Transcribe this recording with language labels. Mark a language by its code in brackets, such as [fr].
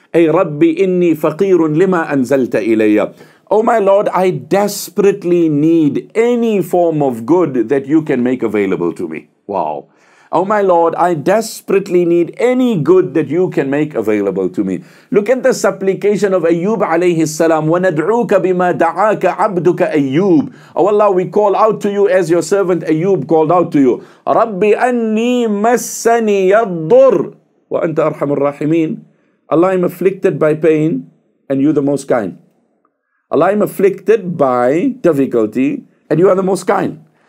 [ar] Ay Rabbi inni faqirun lima anzalta ilayya. [en] Oh my Lord, I desperately need any form of good that you can make available to me. Wow. Oh my Lord, I desperately need any good that you can make available to me. Look at the supplication of Ayyub alayhi salam. [ar] وَنَدْعُوكَ بِمَا دَعَاكَ عَبْدُكَ Ayyub. [en] Oh Allah, we call out to you as your servant Ayyub called out to you. [ar] Rabbi anni massani yadur. Wa anta arhamur rahimin. [en] Allah, I'm afflicted by pain, and you the most kind. Allah, I'm afflicted by difficulty, and you are the most kind.